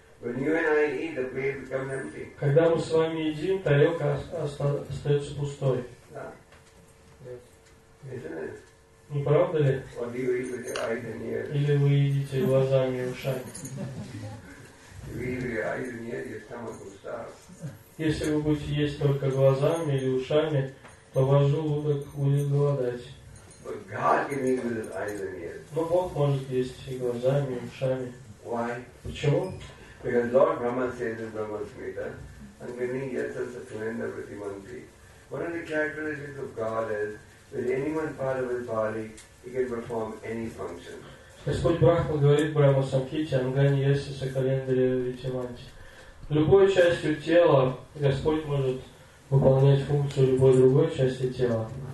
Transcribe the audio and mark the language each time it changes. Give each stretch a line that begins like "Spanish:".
English: When you and I eat, the plate becomes empty.
Russian: Когда мы с вами едим, тарелка остается пустой.
English: Isn't it?
Russian: Не правда ли?
English: Or do you eat with your eyes and ears?
Russian: Или вы едите глазами и ушами?
English: You eat with your eyes and ears, your stomach will starve.
Russian: Если вы будете есть только глазами или ушами, то ваш желудок будет голодать.
English: But God can eat with his eyes and ears.
Russian: Но Бог может есть и глазами, и ушами.
English: Why?
Russian: Почему?
English: Because Lord Brahma says in Brahma Smita, and when he gets us a tremendous pratimanti, one of the characteristics of God is that anyone part of his body, he can perform any function.
Russian: Господь Брахма говорит Брахма Самхите,
Sanskrit: Ангани Яси Сакалендри Витиманти.
Russian: Любой частью тела Господь может выполнять функцию любой другой части тела.